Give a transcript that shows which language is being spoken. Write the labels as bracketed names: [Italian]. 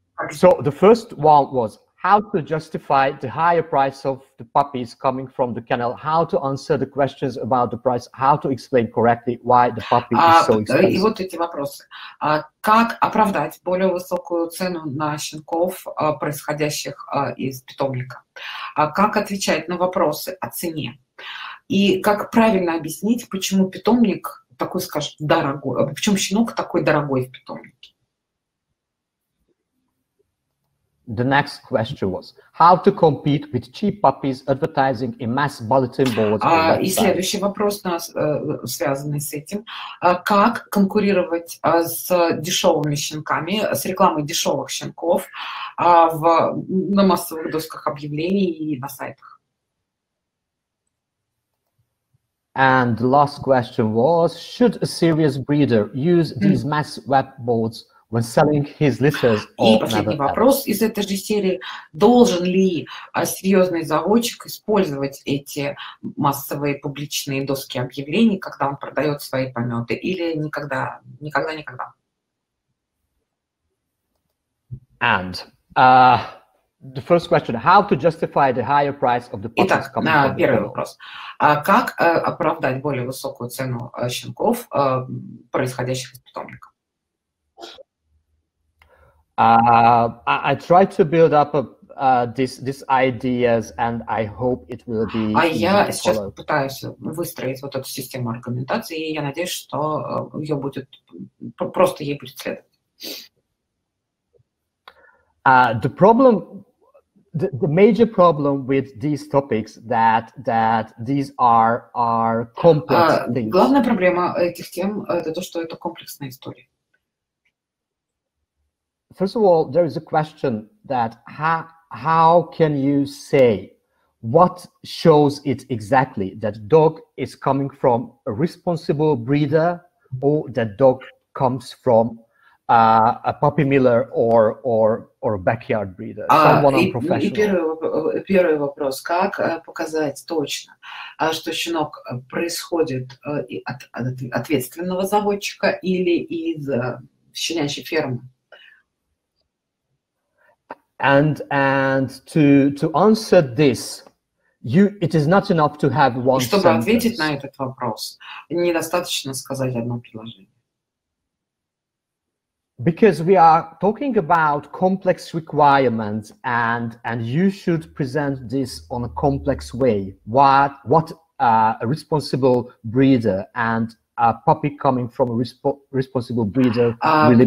[English] So the first one was how to justify the higher price of the puppies coming from the kennel, how to answer the questions about the price, how to explain correctly why the puppy is so expensive. [Russian] И вот эти вопросы. Как оправдать более высокую цену на щенков, происходящих из питомника? Как отвечать на вопросы о цене? И как правильно объяснить, почему питомник такой, скажем, дорогой, почему щенок такой дорогой в питомнике? [English] The next question was how to compete with cheap puppies advertising in mass bulletin boards. [Russian] И следующий вопрос у нас связанный с этим. Как конкурировать с дешевыми щенками, с рекламой дешевых щенков на массовых досках объявлений и на сайтах? [English] And the last question was should a serious breeder use these mass web boards when selling his litters or never. [Russian] И последний вопрос из этой же серии. Должен ли серьезный заводчик использовать эти массовые публичные доски объявлений, когда он продает свои пометы, или никогда, никогда, никогда? [English] And the first question, how to justify the higher price of the puppies coming from the kennel? [Russian] Итак, первый вопрос. Как оправдать более высокую цену щенков, происходящих из питомника? [English] I try to build up these ideas, and I hope it will be. [Russian] А я сейчас пытаюсь выстроить вот эту систему аргументации, и я надеюсь, что ее будет просто ей будет следовать. [English] The major problem with these topics that these are complex things. [Russian] Главная проблема этих тем это то, что это комплексная история. [English] First of all, there is a question that how can you say What shows it exactly that dog is coming from a responsible breeder, or that dog comes from a puppy miller or a backyard breeder? Someone unprofessional. [Russian] Первый вопрос: как показать точно, что щенок происходит от ответственного заводчика или из щенячьей фермы? [English] And to answer this, it is not enough to have one. [Russian] Чтобы ответить на этот вопрос, недостаточно сказать одно предложение. [English] Because we are talking about complex requirements, and you should present this on a complex way. What a responsible breeder and a puppy coming from a responsible breeder really